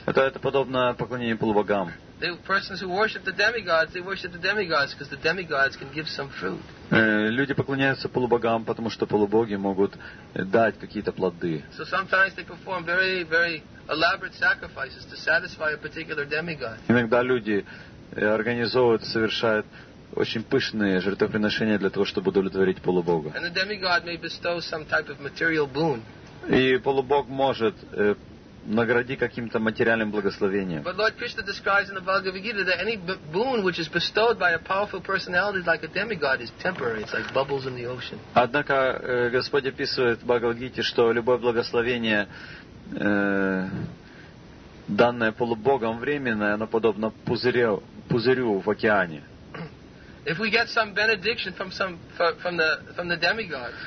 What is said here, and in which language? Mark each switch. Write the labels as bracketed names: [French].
[Russian] Это подобно поклонению полубогам. [English] The persons who worship the demigods, they worship the demigods because the demigods can give some fruit. [Russian] Люди поклоняются полубогам, потому что полубоги могут дать какие-то плоды. [English] So sometimes they perform very, very elaborate sacrifices to satisfy a particular demigod. [Russian] Иногда люди организовывают, совершают очень пышные жертвоприношения для того, чтобы удовлетворить полубога. [English] And the demigod may bestow some type of material boon. [Russian] И полубог может награди каким-то материальным благословением. [English] But Lord Krishna describes in the Bhagavad Gita that any boon which is bestowed by a powerful personality like a demigod is temporary. It's like bubbles in the ocean. [Russian] Однако Господь описывает в Бхагавад Гите, что любое благословение, данное полубогом, временное, оно подобно пузырю в океане. [English] If we get some benediction from the demigod,